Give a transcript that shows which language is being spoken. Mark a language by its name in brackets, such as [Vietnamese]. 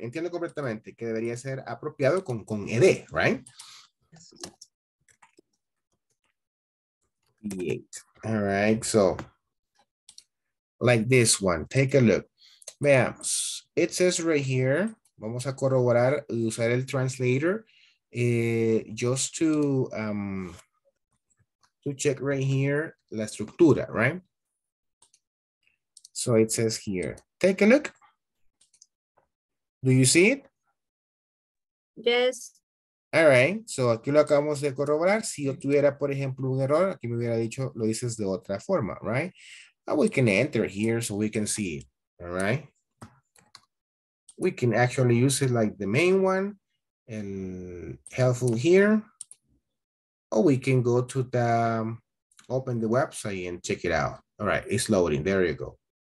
[Spanish] Entiendo completamente que debería ser apropiado con ED, right? [English] Yes. All right, so like this one, take a look. Veamos, it says right here, [Spanish] vamos a corroborar, usar el translator, [English] just to, check right here, [Spanish] la estructura, [English] right? So it says here, take a look. Do you see it? Yes. [Spanish] All right, so aquí lo acabamos de corroborar. Si yo tuviera, por ejemplo, un error, aquí me hubiera dicho, lo dices de otra forma, right? [English] We can enter here so we can see it, all right? We can actually use it like the main one and helpful here. Oh, we can go to the, open the website and check it out. All right, it's loading, there you go.